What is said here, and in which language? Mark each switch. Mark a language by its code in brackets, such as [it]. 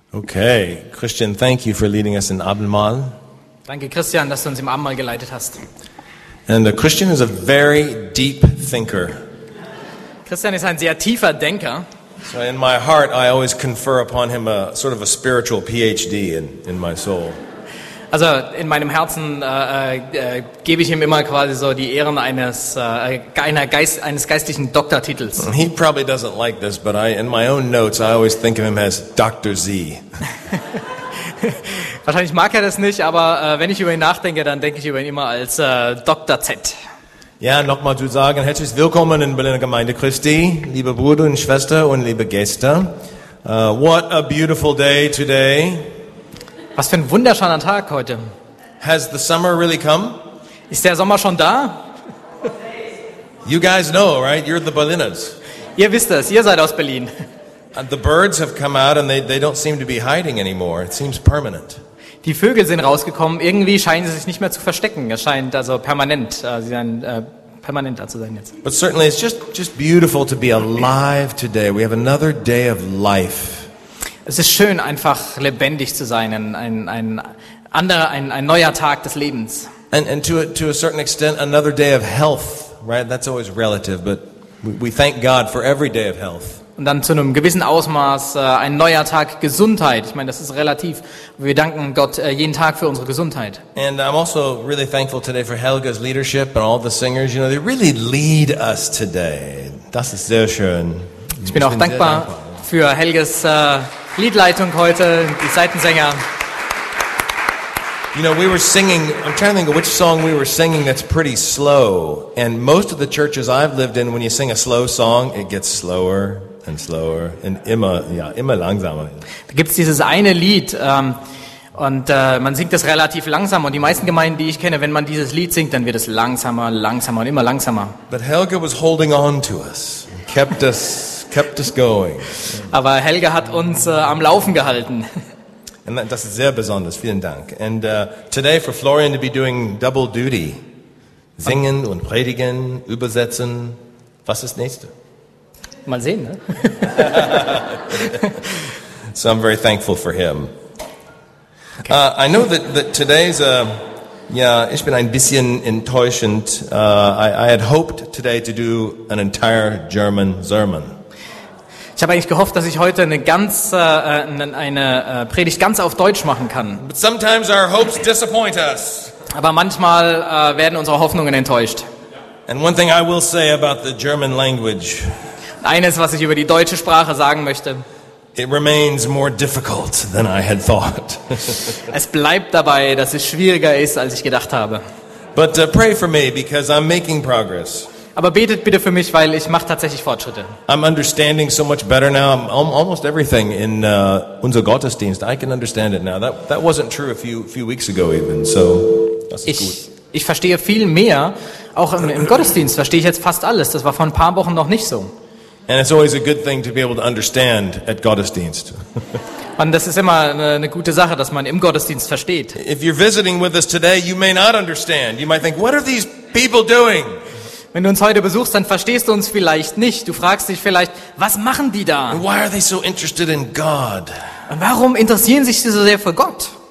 [en] Okay, Christian, thank you for leading us in Abendmahl. [de] Danke, Christian, dass du uns im Abendmahl geleitet hast. [en] And Christian is a very deep thinker. [de] Christian ist ein sehr tiefer Denker. [en] So in my heart, I always confer upon him a sort of a spiritual PhD in my soul. [de] Also in meinem Herzen gebe ich ihm immer quasi so die Ehren eines geistlichen Doktortitels. [en] He probably doesn't like this, but in my own notes I always think of him as Dr. Z. [de] Wahrscheinlich mag er das nicht, aber wenn ich über ihn nachdenke, dann denke ich über ihn immer als Dr. Z. Ja, nochmal zu sagen, herzlich willkommen in Berliner Gemeinde Christi, liebe Brüder und Schwestern und liebe Gäste. [en] What a beautiful day today. [de] Was für ein wunderschöner Tag heute. [en] Has the summer really come? [de] Ist der Sommer schon da? [en] You guys know, right? You're the Berliners. [de] Ihr wisst es, ihr seid aus Berlin. [en] And the birds have come out and they don't seem to be hiding anymore. It seems permanent. [de] Die Vögel sind rausgekommen. Irgendwie scheinen sie sich nicht mehr zu verstecken. Es scheint also permanent, sie sind permanent da zu sein jetzt. [en] But certainly it's just beautiful to be alive today. We have another day of life. [de] Es ist schön, einfach lebendig zu sein, ein neuer Tag des Lebens. [en] And to a certain extent, another day of health, right? That's always relative, but we thank God for every day of health. [de] Und dann zu einem gewissen Ausmaß ein neuer Tag Gesundheit. Ich meine, das ist relativ. Wir danken Gott jeden Tag für unsere Gesundheit. [en] And I'm also really thankful today for Helga's leadership and all the singers. You know, they really lead us today. [de] Das ist sehr schön. Ich bin auch dankbar für Helgas Liedleitung heute, die Seitensänger. [en] You know, we were singing, I'm trying to think of which song we were singing that's pretty slow. And most of the churches I've lived in, when you sing a slow song, it gets slower and slower and [de] immer langsamer. Da gibt's dieses eine Lied, man singt es relativ langsam. Und die meisten Gemeinden, die ich kenne, wenn man dieses Lied singt, dann wird es langsamer, langsamer und immer langsamer. [en] But Helga was holding on to us, kept us. Kept us going. [de] Aber Helga hat uns am Laufen gehalten. And das ist sehr besonders. Vielen Dank. [en] And today for Florian to be doing double duty. [de] Singen und predigen, übersetzen. Was ist nächste? Mal sehen, ne? [en] So I'm very thankful for him. Okay. I know that today's [de] ich bin ein bisschen enttäuschend. [en] I had hoped today to do an entire German sermon. [de] Ich habe eigentlich gehofft, dass ich heute eine Predigt ganz auf Deutsch machen kann. [en] But sometimes our hopes disappoint us. [de] Aber manchmal werden unsere Hoffnungen enttäuscht. [en] And one thing I will say about the German language. [de] Eines, was ich über die deutsche Sprache sagen möchte. [en] It remains more difficult than I had thought. [de] Es bleibt dabei, dass es schwieriger ist, als ich gedacht habe. [en] But pray for me because I'm making progress. [de] Aber betet bitte für mich, weil ich mache tatsächlich Fortschritte. [en] I'm understanding so much better now. Almost everything in [de] unser Gottesdienst, [en] I can understand it now. That wasn't true a few weeks ago even. [de] So das ist gut. Ich verstehe viel mehr, auch im Gottesdienst verstehe ich jetzt fast alles. Das war vor ein paar Wochen noch nicht so. [en] And it's always a good thing to be able to understand at Gottesdienst. [de] Und das ist immer eine gute Sache, dass man im Gottesdienst versteht. [en] If you're visiting with us today, you may not understand. You might think, what are these people doing? [de] Wenn du uns heute besuchst, dann verstehst du uns vielleicht nicht. Du fragst dich vielleicht, was machen die da? [en] Why are they so interested in God? [de] Und warum interessieren sich sie so sehr für Gott?